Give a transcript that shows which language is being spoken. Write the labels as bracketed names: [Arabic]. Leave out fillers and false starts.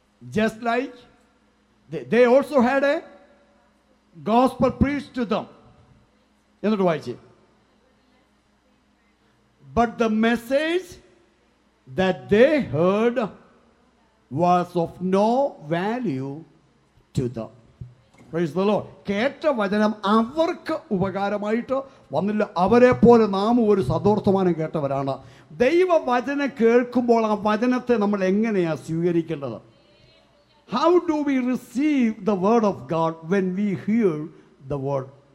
[English] Just like they also had a gospel preached to them. [Malayalam] എന്നിട്ട് വായിച്ചേ. [English] But the message that they heard was of no value to them. Praise the Lord. [Malayalam] കേട്ട വചനം അവർക്ക് ഉപകാരമായിട്ട് വന്നില്ല. അവരെ പോലെ നാമും ഒരു സദോർത്തമാനം കേട്ടവരാണ്. ദൈവ വചനം കേൾക്കുമ്പോൾ ആ വചനത്തെ നമ്മൾ എങ്ങനെയാണ് സ്വീകരിക്കേണ്ടത്? [English] How do we receive the word of God when we hear the word?